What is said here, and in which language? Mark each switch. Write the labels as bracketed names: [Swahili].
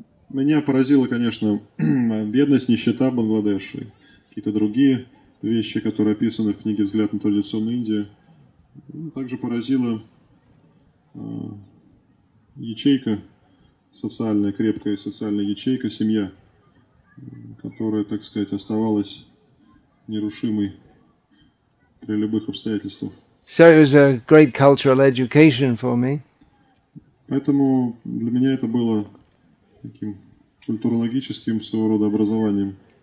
[Russian] Меня поразила, конечно, бедность, нищета Бангладеш и какие-то другие вещи, которые описаны в книге «Взгляд на традиционную Индию». Также поразила ячейка социальная, крепкая социальная ячейка, семья, которая, так сказать, оставалась нерушимой. [English] So it was a great cultural education for me. [Russian] Поэтому для меня это было таким культурологическим своего рода образованием.